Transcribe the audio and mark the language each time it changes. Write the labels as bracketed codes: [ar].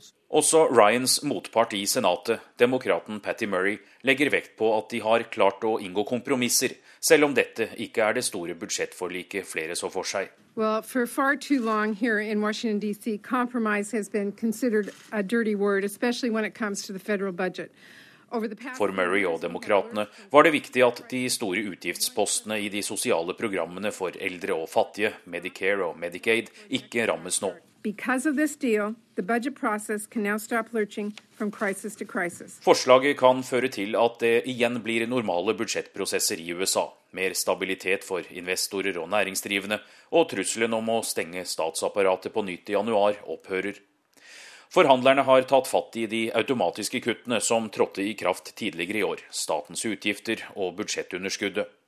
[no] Også Ryans motpart i senatet, demokraten Patty Murray, legger vekt på at de har klart å inngå kompromisser, selv om dette ikke er det store budsjettforliket flere så for seg. [en] Well, for far too long here in Washington DC, compromise has been considered a dirty word, especially when it comes to the federal budget. [no] For Murray og demokratene var det viktig at de store utgiftspostene i de sosiale programmene for eldre og fattige, Medicare og Medicaid, ikke rammes nå. [en] Because of this deal, the budget process can now stop lurching from crisis to crisis. [no] Forslaget kan føre til at det igjen blir normale budsjettprosesser i USA, mer stabilitet for investorer og næringsdrivende, og trusselen om å stenge statsapparatet på nytt i januar opphører. Forhandlerne har tatt fatt i de automatiske kuttene som trådte i kraft tidligere i år, statens utgifter og budsjettunderskuddet.